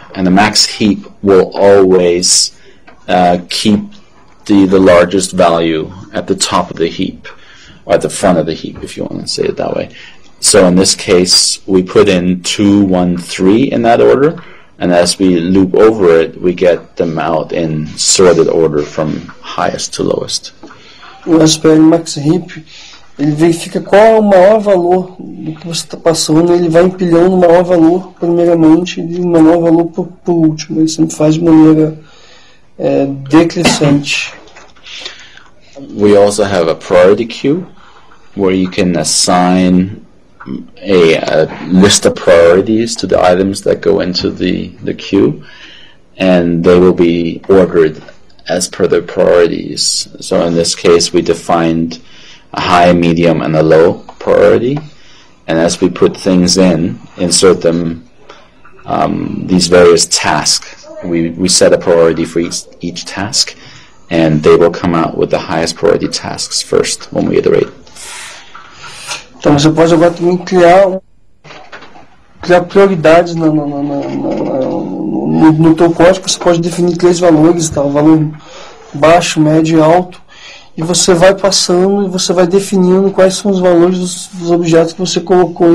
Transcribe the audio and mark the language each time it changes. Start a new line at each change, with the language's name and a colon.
English: And the max heap will always keep the largest value at the top of the heap, or at the front of the heap, if you want to say it that way. So in this case, we put in 2, 1, 3 in that order, and as we loop over it, we get them out in sorted order from highest to lowest.
Portuguese: O SPL max heap, ele verifica qual é o maior valor do que você está passando, ele vai empilhando o maior valor primeiramente e o menor valor por último. Ele sempre faz de maneira decrescente.
English: We also have a priority queue where you can assign a list of priorities to the items that go into the queue, and they will be ordered as per their priorities. So in this case, we defined a high, medium, and a low priority, and as we put things in, insert them, these various tasks, we set a priority for each task, and they will come out with the highest priority tasks first when we iterate.
Portuguese: Então você pode agora também criar prioridades no teu código. Você pode definir três valores, tá? O valor baixo, médio e alto. E você vai passando e você vai definindo quais são os valores dos objetos que você colocou.